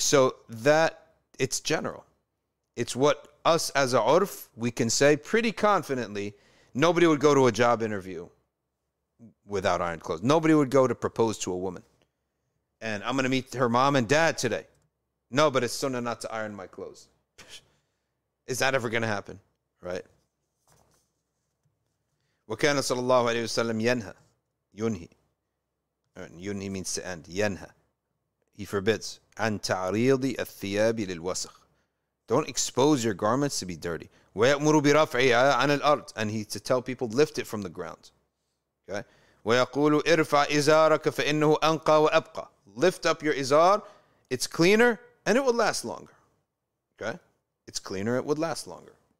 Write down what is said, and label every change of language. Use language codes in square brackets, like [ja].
[en] So that it's general. It's what us as a urf, we can say pretty confidently, nobody would go to a job interview without ironed clothes. Nobody would go to propose to a woman. And I'm going to meet her mom and dad today. No, but it's sunnah not to iron my clothes. Is that ever going to happen? Right? [ar] وَكَانَ صَلَى اللَّهُ عَلَيْهُ وَسَلَّمْ يَنْهَى يُنْهِي يُنْهِي [en] means to end. [ar] يَنْهَى. [en] He forbids. [ar] عَنْ تَعْرِيضِ الثِّيَابِ لِلْوَسَخِ. [en] Don't expose your garments to be dirty. [ar] وَيَأْمُرُ بِرَفْعِهَا عَنَ الْأَرْضِ. [en] And he to tell people, lift it from the ground. [ar] Okay? وَيَقُولُ إِرْفَعْ إِزَارَكَ فَإِنَّهُ أَنْقَى وَأَبْقَى. [en] Lift up your izar. It's cleaner and it will last longer. Okay? It's cleaner, it would last longer.